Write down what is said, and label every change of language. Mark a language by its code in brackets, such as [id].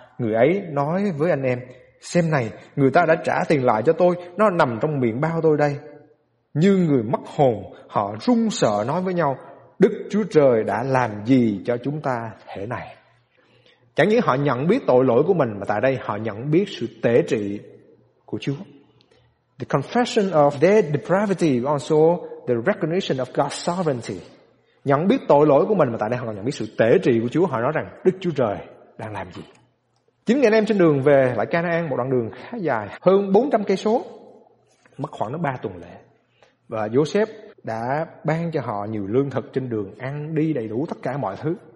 [vi] Người ấy nói với anh em, xem này, người ta đã trả tiền lại cho tôi. Nó nằm trong miệng bao tôi đây. Như người mất hồn, họ run sợ nói với nhau, Đức Chúa Trời đã làm gì cho chúng ta thế này? Chẳng những họ nhận biết tội lỗi của mình, mà tại đây họ nhận biết sự tế trị của Chúa. [en] The confession of their depravity, also the recognition of God's sovereignty. [vi] Nhận biết tội lỗi của mình, mà tại đây họ nhận biết sự tế trị của Chúa. Họ nói rằng Đức Chúa Trời đang làm gì. Chính anh em trên đường về lại Canaan, một đoạn đường khá dài, hơn 400 cây số, mất khoảng 3 tuần lễ. Và Joseph đã ban cho họ nhiều lương thực trên đường, ăn đi đầy đủ tất cả mọi thứ.